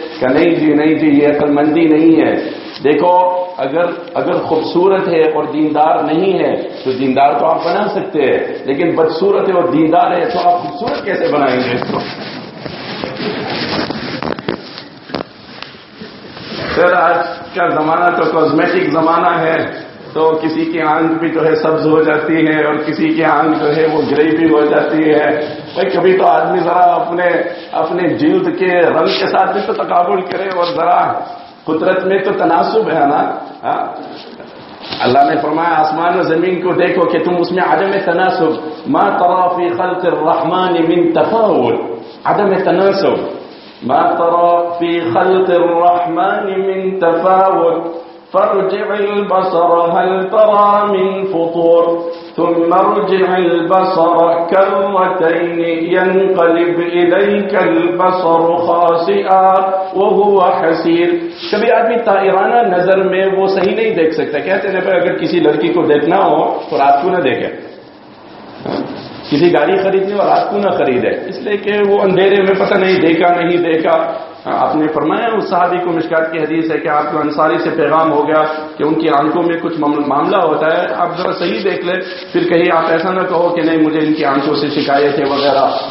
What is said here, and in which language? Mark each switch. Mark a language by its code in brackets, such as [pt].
[ur] کہ نہیں جی نہیں جی, یہ عقل مندی نہیں ہے. دیکھو اگر خوبصورت ہے اور دیندار نہیں ہے تو دیندار تو آپ بنا سکتے ہیں, لیکن بدصورت ہے اور دیندار ہے تو آپ خوبصورت کیسے بنائیں گے؟ سر آج کا زمانہ تو کاسمیٹک زمانہ ہے, تو کسی کی آنکھ بھی جو ہے سبز ہو جاتی ہے اور کسی کی آنکھ جو ہے وہ گرے بھی ہو جاتی ہے. بھائی کبھی تو آدمی ذرا اپنے جلد کے رنگ کے ساتھ بھی تو تقابل کرے, اور ذرا قدرت میں تو تناسب ہے نا. اللہ نے فرمایا آسمان و زمین کو دیکھو کہ تم اس میں عدم تناسب, [ar] ما ترى في خلق الرحمن من تفاوت, [ur] عدم تناسب, [ar] ما ترى في خلق الرحمن من تفاوت فارجع البصر هل ترى من فطور ثم ارجع البصر كرتين ينقلب اليك البصر خاسئا وهو حسير. [ur] کبھی آدمی طائرانہ نظر میں وہ صحیح نہیں دیکھ سکتا. کہتے ہیں اگر کسی لڑکی کو دیکھنا ہو تو رات کو نہ دیکھے, کسی گاڑی خریدنی ہو رات کو نہ خریدے, اس لیے کہ وہ اندھیرے میں پتہ نہیں دیکھا نہیں دیکھا. آپ نے فرمایا اس صحابی کو مشکات کی حدیث ہے کہ آپ کو انصاری سے پیغام ہو گیا کہ ان کی آنکھوں میں کچھ معاملہ ہوتا ہے, آپ ذرا صحیح دیکھ لیں, پھر کہیں آپ ایسا نہ کہو کہ نہیں مجھے ان کی آنکھوں سے شکایت ہے وغیرہ.